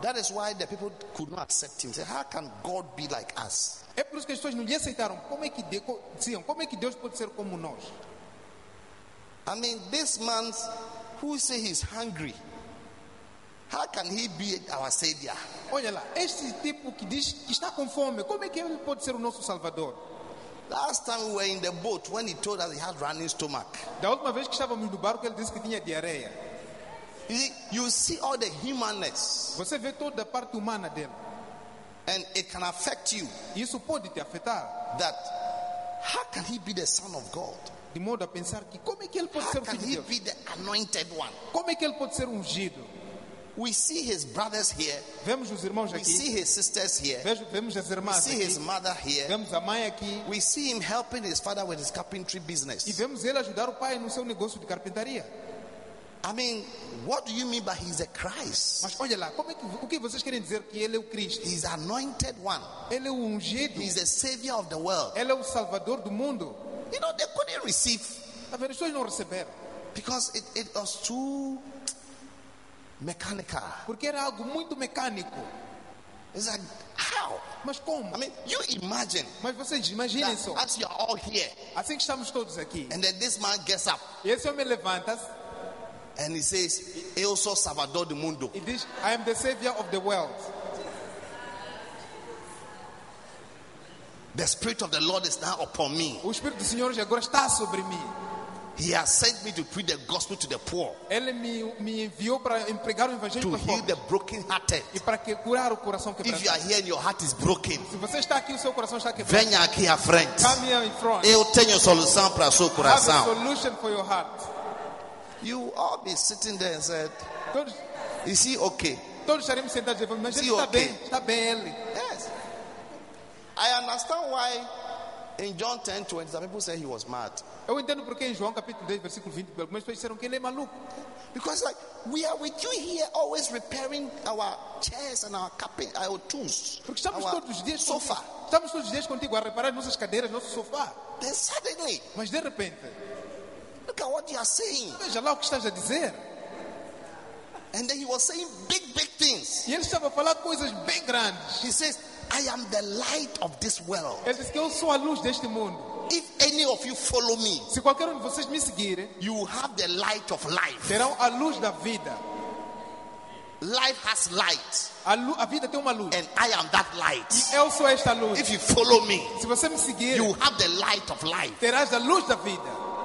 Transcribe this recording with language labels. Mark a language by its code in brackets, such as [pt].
[en] That is why the people could not accept Him. Say, how can God be like us? [pt] É por isso que as pessoas não lhe aceitaram. Como é que Deus pode ser como nós? [en] I mean, this man who say he's hungry. How can he be our savior? [pt] Olha lá, este tipo que diz que está com fome, como é que ele pode ser o nosso salvador? [en] Last time we were in the boat when he told us he had running stomach. [pt] Da última vez que estávamos no barco ele disse que tinha diarreia. [en] You see all the humanness. [pt] Você vê toda a parte humana dele. [en] And it can affect you. [pt] Isso pode te afetar. [en] That how can he be the son of God? [pt] De modo a pensar que como é que ele pode ser o filho de Deus? [en] How can he be the anointed one? [pt] Como é que ele pode ser ungido? [en] We see his brothers here. [pt] Vemos os irmãos aqui. [en] We see his sisters here. [pt] Vemos as irmãs aqui. [en] We see his mother here. [pt] Vemos a mãe aqui. [en] We see him helping his father with his carpentry business. [pt] E vemos ele ajudar o pai no seu negócio de carpintaria. [en] I mean, what do you mean by he's a Christ? [pt] Mas olha lá, como é que, o que vocês querem dizer que ele é o Cristo? [en] He's anointed one. [pt] Ele é o ungido. [en] He's the savior of the world. [pt] Ele é o salvador do mundo. [en] You know, they couldn't receive. [pt] As pessoas não receberam. [en] Because it was too mechanical. [pt] Porque era algo muito mecânico. [en] It's like, how? [pt] Mas como? [en] I mean, you imagine. [pt] Mas vocês imaginem só. [en] As you're all here. [pt] Assim que estamos todos aqui. [en] And then this man gets up. [pt] E esse homem levanta. [en] And he says, [pt] "Eu sou salvador do mundo." [en] He says, "I am the savior of the world." The spirit of the Lord is now upon me. [pt] O espírito do Senhor já agora está sobre mim. [en] He has sent me to preach the gospel to the poor. [pt] Ele me enviou para pregar o evangelho para os pobres. [en] To heal the broken hearted. [pt] E para que curar o coração quebrantado. [en] If you are here and your heart is broken, [pt] se você está aqui o seu coração está quebrado. Venha aqui à frente. [en] Come here in front. [pt] Eu tenho solução para o seu coração. [en] I have a solution for your heart. You all be sitting there and said, is he okay? [pt] Todos estaremos sentados e vamos. Mas ele está bem. Está bem ele. [en] Yes. I understand why. In John 10, 20, some people say he was mad. [pt] Eu entendo porque em João capítulo 10 versículo 20, algumas pessoas disseram que ele é maluco. [en] Because like we are with you here always repairing our chairs and our carpet, our tools. [pt] Porque estamos todos os dias sofá, Estamos todos os dias contigo a reparar nossas cadeiras, nosso sofá. [en] Then suddenly, [pt] mas de repente, [en] look at what you are saying. [pt] Veja lá o que estás a dizer. [en] And then he was saying big, big things. [pt] E ele estava a falar coisas bem grandes. [en] He says, I am the light of this world. [pt] Ele diz que eu sou a luz deste mundo. [en] If any of you follow me, [pt] se qualquer um de vocês me seguir, [en] you will have the light of life. [pt] Terão a luz da vida. [en] Life has light. [pt] A vida tem uma luz. [en] And I am that light. [pt] E eu sou esta luz. [en] If you follow me, [pt] se você me seguir, [en] you will have the light of life. [pt] Terás a luz da vida.